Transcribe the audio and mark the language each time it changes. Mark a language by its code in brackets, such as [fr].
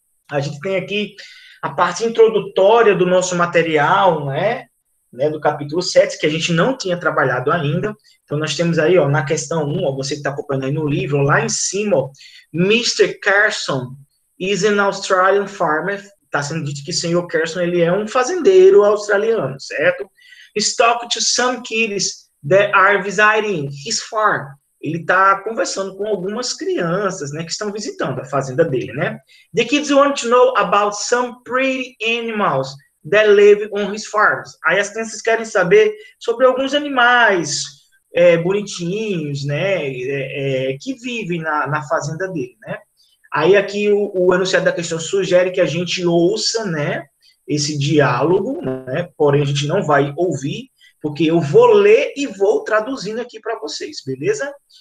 [pt] A gente tem aqui a parte introdutória do nosso material, né, do capítulo 7, que a gente não tinha trabalhado ainda. Então, nós temos aí, ó, na questão 1, ó, você que está acompanhando aí no livro, lá em cima, ó, Mr. [en] Carson is an Australian farmer. [pt] Está sendo dito que o senhor Carson, ele é um fazendeiro australiano, certo? [en] He's talking to some kids that are visiting his farm. [pt] Ele está conversando com algumas crianças, né, que estão visitando a fazenda dele, né? [en] The kids want to know about some pretty animals that live on his farms. [pt] Aí as crianças querem saber sobre alguns animais bonitinhos, né, que vivem na fazenda dele, né? Aí aqui o enunciado da questão sugere que a gente ouça, né, esse diálogo, né? Porém a gente não vai ouvir. Porque eu vou ler e vou traduzindo aqui para vocês, beleza?